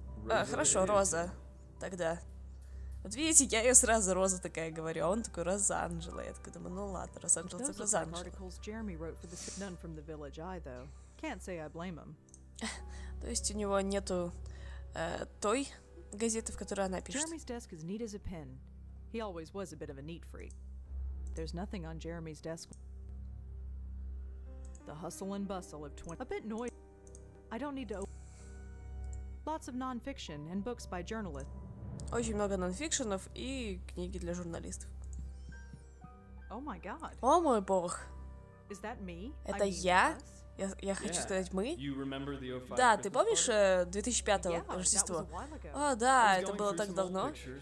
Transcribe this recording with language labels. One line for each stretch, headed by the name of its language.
Russian: А, хорошо, Роза. Тогда. Вот видите, я ее сразу Роза такая говорю, а он такой Розанджела. Я такая думаю, ну ладно, Розанджела так Розанджела.
English: Can't say I blame him.
Russian: То есть у него нету той газеты, в которой она пишет.
English: Jeremy's desk is neat as a pin. He always was a bit of a neat freak. There's nothing on Jeremy's desk. The hustle and bustle of 20... A bit noisy. I don't need to... Lots of non-fiction and books by journalists.
Russian: Очень много нонфикшенов и книги для журналистов.
English: Oh my God.
Russian: О мой бог!
English: Is that me?
Russian: Это
English: I mean,
Russian: я? Я хочу сказать «мы». Да, ты помнишь 2005-го Рождество? О, да, это было так давно.